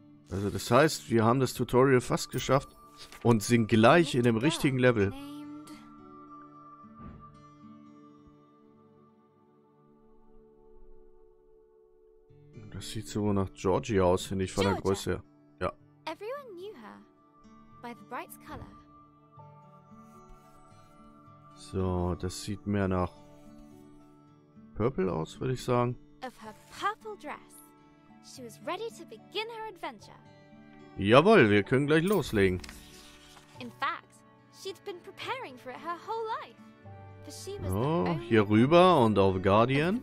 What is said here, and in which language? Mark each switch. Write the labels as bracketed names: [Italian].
[German] Also das heißt, wir haben das Tutorial fast geschafft und sind gleich in dem richtigen Level. Das sieht so nach Georgia aus, finde ich, von der Größe. Ja. [English] Everyone knew her by the bright color. [German] So, das sieht mehr nach Purple aus, würde ich sagen. [English] Of her purple dress. She was ready to begin her adventure. [German] Jawohl, wir können gleich loslegen. [English] In fact, she'd been preparing for it her whole life. For she was [German] oh, hier rüber und auf Guardian.